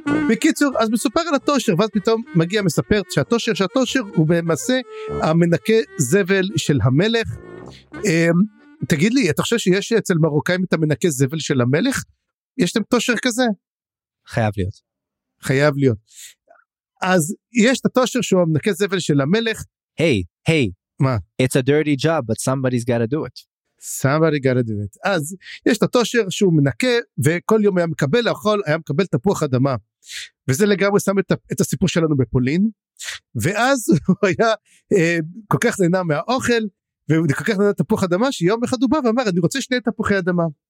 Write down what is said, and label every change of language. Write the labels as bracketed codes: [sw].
[he] בקיצור, אז מספר על התושר, ואז פתאום מגיע מספר שהתושר הוא במעשה המנקה זבל של המלך. תגיד לי, אתה חושב שיש אצל מרוקאים את המנקה זבל של המלך? יש אתם תושר כזה? חייב להיות. אז יש את התושר שהוא המנקה זבל של המלך. [en] Hey. [he] מה? [en] It's a dirty job, but somebody's gotta do it. [he] אז יש את התושר שהוא מנקה, וכל יום היה מקבל לאכול, היה מקבל תפוח אדמה. וזה לגמרי שם את הסיפור שלנו בפולין. ואז הוא היה כל כך נהנה מהאוכל, וכל כך נהנה תפוח אדמה, שיום אחד הוא בא ואמר, אני רוצה שני תפוחי אדמה.